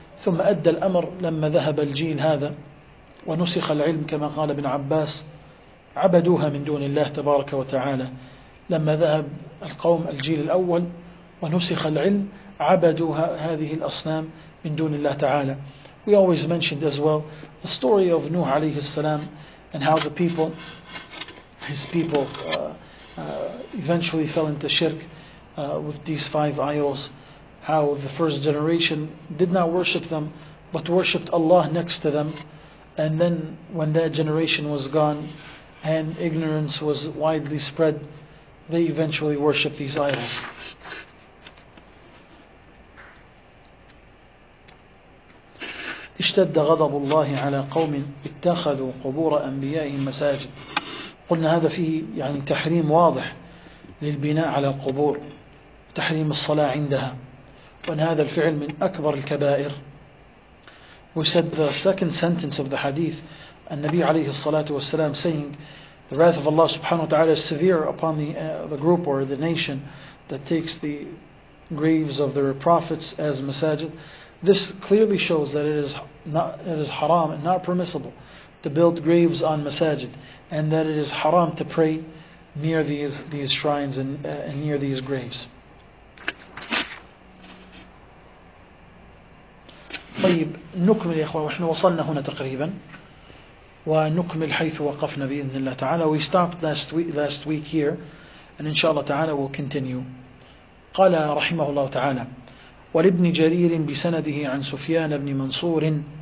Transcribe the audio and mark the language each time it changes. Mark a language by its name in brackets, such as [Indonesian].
[Arabic] ثم أدى الأمر لما ذهب الجيل هذا ونسخ العلم كما قال ابن عباس عبدوها من دون الله تبارك وتعالى. لما ذهب القوم الجيل الأول ونسخ العلم عبدوا هذه الأصنام من دون الله تعالى. [English] We always mentioned as well the story of Nuh عليه السلام and how the people, his people, eventually fell into shirk with these five idols. How the first generation did not worship them but worshipped Allah next to them. And then when that generation was gone and ignorance was widely spread, they eventually worship these idols. [Arabic] اشتد غضب الله على قوم اتخذوا قبور أنبيائهم مساجد. قلنا هذا فيه تحريم واضح للبناء على القبور, تحريم الصلاة عندها, وأن هذا الفعل من أكبر الكبائر. [English] We said the second sentence of the hadith, النبي عليه الصلاة والسلام saying, the wrath of Allah subhanahu wa ta'ala is severe upon the group or the nation that takes the graves of their prophets as masajid. This clearly shows that it is haram and not permissible to build graves on masajid, and that it is haram to pray near these shrines and near these graves. [Arabic] طيب نكمل يا إخوة, وإحنا وصلنا هنا تقريبا ونكمل حيث وقفنا بإذن الله تعالى. [English] We stopped last week here, and إن شاء الله تعالى we'll continue. [Arabic] قال رحمه الله تعالى ولابن جرير بسنده عن سفيان بن منصور